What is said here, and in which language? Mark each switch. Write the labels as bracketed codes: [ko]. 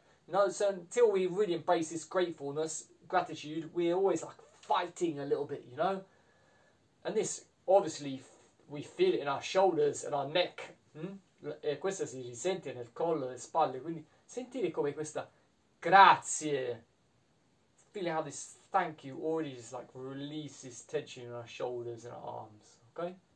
[en] No, so until we really embrace this gratefulness, gratitude, we're always like fighting a little bit, you know? And this, obviously, we feel it in our shoulders and our neck. [it] E questo si risente nel collo, nelle spalle. Quindi sentire come questa grazie, [en] feeling how this thank you already just like releases tension in our shoulders and our arms, okay?